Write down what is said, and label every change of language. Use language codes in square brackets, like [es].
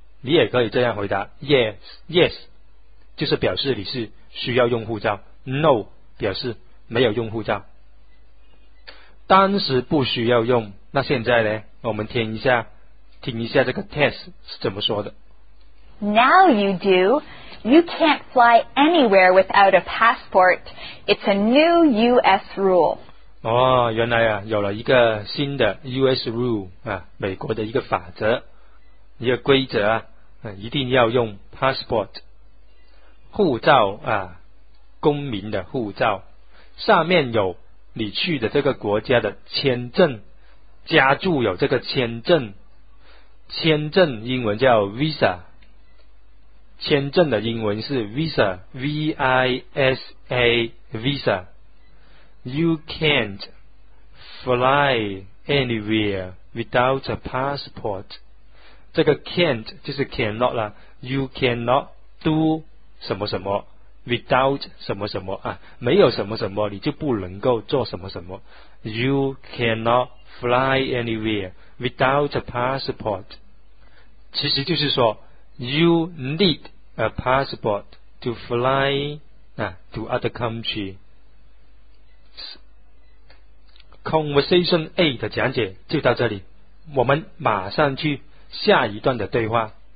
[zh] 你也可以这样回答 Yes 就是表示你是需要用护照 No 表示没有用护照当时不需要用那现在呢我们听一下这个 test 是怎么说的 [en] Now you do You can't fly anywhere without a passport It's a new US rule [zh] 哦原来啊有了一个新的 US rule、啊、美国的一个法则一个规则、啊、一定要用 passport 护照、啊、公民的护照上面有你去的这个国家的签证家住有这个签证签证英文叫 visa 签证的英文是 visa V-I-S-A visa [en] you can't fly anywhere without a passport [zh] 这个 can't 就是 cannot 啦 [en] you cannot do [zh] 什么什么Without 什么什么啊，没有什么什么，你就不能够做什么什么。 [en] You cannot fly anywhere without a passport. [zh] 其实就是说 [en] ，you need a passport to fly 啊 to other country. [zh] Conversation A 的讲解就到这里，我们马上去下一段的对话。